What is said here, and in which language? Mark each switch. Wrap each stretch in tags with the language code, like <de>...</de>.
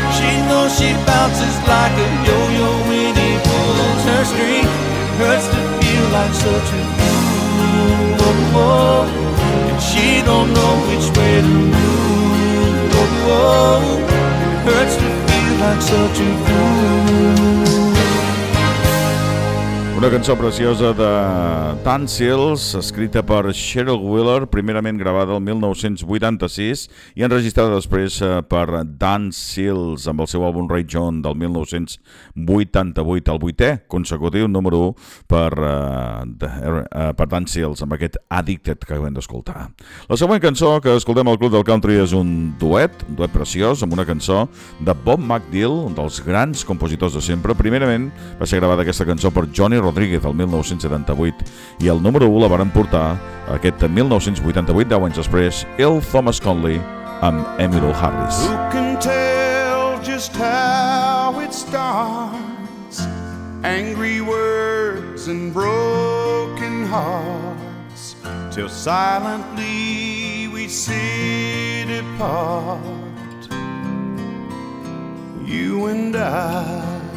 <en>She knows she bounces like a yo-yo when he pulls her string. It hurts to feel like such a fool, oh, oh. And she don't know which way to move, oh, oh. It hurts to feel like such a fool.</en> <ca>Una cançó preciosa de Tansils, escrita per Cheryl Wheeler, primerament gravada el 1986 i enregistrada després per Tansils amb el seu àlbum Ray John del 1988, el vuitè consecutiu número 1 per Tansils, amb aquest Addicted que acabem d'escoltar. La següent cançó que escoltem al Club del Country és un duet preciós, amb una cançó de Bob McDill, un dels grans compositors de sempre. Primerament va ser gravada aquesta cançó per Johnny Rodríguez el 1978 i el número 1 la varen portar aquest 1988, 10 anys després, Earl Thomas Conley amb Emmylou Harris.</ca> <en>Who can tell just how it starts? Angry words and broken hearts, till silently we sit apart, you and I.</en>